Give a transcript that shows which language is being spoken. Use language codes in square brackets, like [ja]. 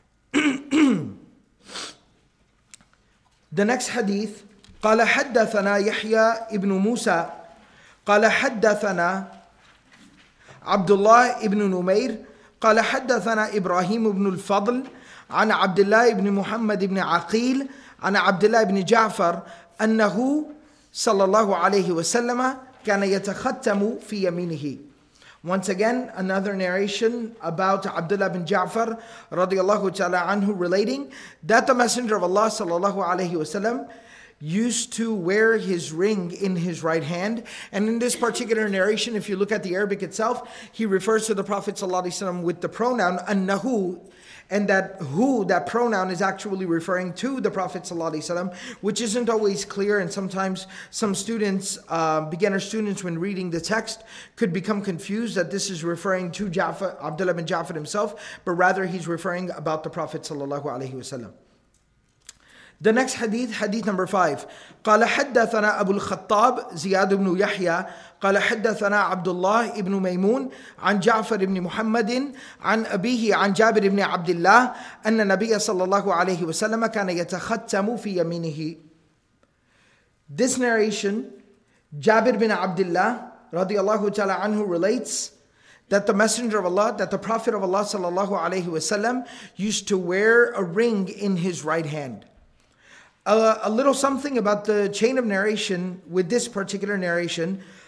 [en] The next hadith, [ar] قَالَ حَدَّثَنَا يَحْيَى إِبْنُ مُوسَى قَالَ حَدَّثَنَا عَبْدُ اللَّهِ إِبْنُ نُمَيْرِ قال حدثنا إبراهيم بن الفضل عن عبد الله بن محمد بن عقيل عن عبد الله بن جعفر أنه صلى الله عليه وسلم كان يتختم في يمينه. [en] Once again, another narration about Abdullah bin Ja'far radiallahu ta'ala anhu, relating that the Messenger of Allah sallallahu alayhi wasallam used to wear his ring in his right hand. And in this particular narration, if you look at the Arabic itself, he refers to the Prophet ﷺ with the pronoun annahu, and that who, that pronoun, is actually referring to the Prophet ﷺ, which isn't always clear, and sometimes some students, beginner students, when reading the text, could become confused that this is referring to Ja'far, Abdullah bin Ja'far himself, but rather he's referring about the Prophet ﷺ. The next hadith, hadith number 5. [ar] قال حدثنا أبو الخطاب زياد بن يحيى قال حدثنا عبد الله بن ميمون عن جعفر بن محمد عن أبيه عن جابر بن عبد الله أن النبي صلى الله عليه وسلم كان يتختم في يمينه. [en] This narration, [ar] جابر بن عبد الله رضي الله تعالى عنه, [en] relates that the Messenger of Allah, that the Prophet of Allah sallallahu alayhi wasallam, used to wear a ring in his right hand. A little something about the chain of narration with this particular narration.